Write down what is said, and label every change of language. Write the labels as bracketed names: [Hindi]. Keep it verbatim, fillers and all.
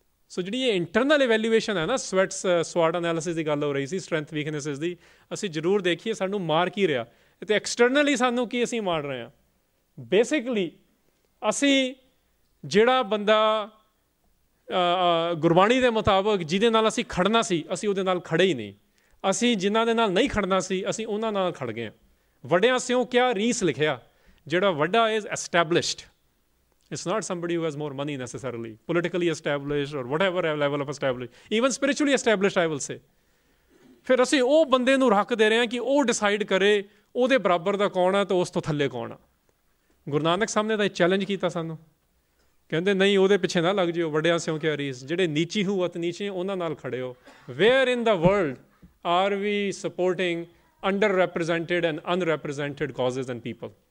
[Punjabi] ਸੋ ਜਿਹੜੀ ਇਹ internal evaluation ਹੈ ਨਾ, ਸਵੈਟਸ ਸਵਾਟ ਅਨਾਲਿਸਿਸ ਦੀ ਗੱਲ ਹੋ ਰਹੀ ਸੀ, ਸਟਰੈਂਥ ਵੀਕਨੈਸਿਸ ਦੀ, ਅਸੀਂ ਜ਼ਰੂਰ ਦੇਖੀਏ ਸਾਨੂੰ ਮਾਰ ਕੀ ਰਿਹਾ ਅਤੇ ਐਕਸਟਰਨਲੀ ਸਾਨੂੰ ਕੀ ਅਸੀਂ ਮਾਰ ਰਹੇ ਹਾਂ। ਬੇਸਿਕਲੀ ਅਸੀਂ ਜਿਹੜਾ ਬੰਦਾ ਗੁਰਬਾਣੀ ਦੇ ਮੁਤਾਬਕ ਜਿਹਦੇ ਨਾਲ ਅਸੀਂ ਖੜ੍ਹਨਾ ਸੀ, ਅਸੀਂ ਉਹਦੇ ਨਾਲ ਖੜ੍ਹੇ ਹੀ ਨਹੀਂ। ਅਸੀਂ ਜਿਨ੍ਹਾਂ ਦੇ ਨਾਲ ਨਹੀਂ ਖੜ੍ਹਨਾ ਸੀ, ਅਸੀਂ ਉਹਨਾਂ ਨਾਲ ਖੜ੍ਹ ਗਏ ਹਾਂ। ਵੱਡਿਆਂ ਸਿਉਂ ਕਿਆ ਰੀਸ ਲਿਖਿਆ, ਜਿਹੜਾ ਵੱਡਾ [English] Is established, it's not somebody who has more money necessarily, politically established or whatever level of established, even spiritually established I will say. [Punjabi] ਫਿਰ ਅਸੀਂ ਉਹ ਬੰਦੇ ਨੂੰ ਰੱਖ ਦੇ ਰਹੇ ਹਾਂ ਕਿ ਉਹ ਡਿਸਾਈਡ ਕਰੇ ਉਹਦੇ ਬਰਾਬਰ ਦਾ ਕੌਣ ਆ ਅਤੇ ਉਸ ਤੋਂ ਥੱਲੇ ਕੌਣ ਆ। ਗੁਰੂ ਨਾਨਕ ਸਾਹਿਬ ਨੇ ਤਾਂ ਇਹ ਚੈਲੰਜ ਕੀਤਾ ਸਾਨੂੰ, ਕਹਿੰਦੇ ਨਹੀਂ ਉਹਦੇ ਪਿੱਛੇ ਨਾ ਲੱਗ ਜਿਓ, ਵੱਡਿਆਂ ਸਿਉਂ ਕਿਆ ਰੀਸ, ਜਿਹੜੇ ਨੀਚੀ ਹੂ ਅਤੇ ਨੀਚੇ ਉਹਨਾਂ ਨਾਲ ਖੜ੍ਹੇ ਹੋ। [English] Where in the world are we supporting underrepresented and unrepresented causes and people?